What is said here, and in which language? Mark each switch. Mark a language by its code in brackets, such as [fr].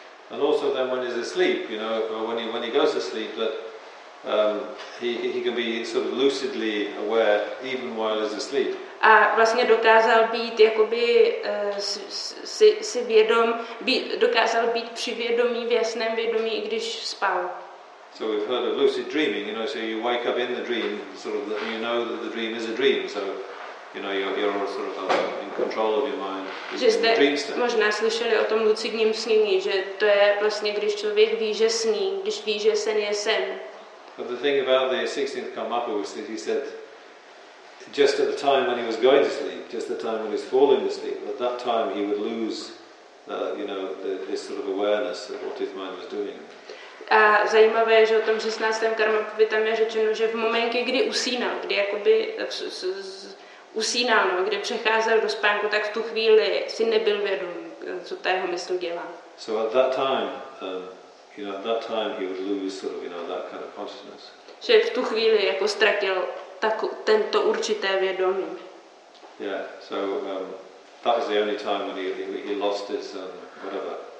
[en] And also then when he's asleep, you know, when he goes to sleep, that he can be sort of lucidly aware even while he's asleep. [cs] A vlastně dokázal být jakoby si vědom, dokázal být při vědomí, v jasném vědomí, i když spal. [en] So we've heard of lucid dreaming, you know, so you wake up in the dream, sort of, you know that the dream is a dream, so... You know, you're sort of in control of your mind. [cs] Že jste možná slyšeli o tom lucidním snění, že to je vlastně, když člověk ví, že sní, když ví, že sen je sen. [en] But the thing about the 16th karmapa was that he said, just at the time when he was going to sleep, just the time when he was falling asleep, at that time he would lose, you know, this sort of awareness of what his mind was doing. [cs] A zajímavé je, že o tom 16. karmapovi tam je řečeno, že v momentě, kdy usínal, kdy jakoby usínal, no, kde přecházel do spánku, tak v tu chvíli si nebyl vědom, co ta jeho mysl dělá. [en] So at that time, you know, at that time he would lose sort of, you know, that kind of consciousness. [cs] Že v tu chvíli jako ztratil tento určité vědomí. [en] Yeah, so that was the only time when he lost his whatever.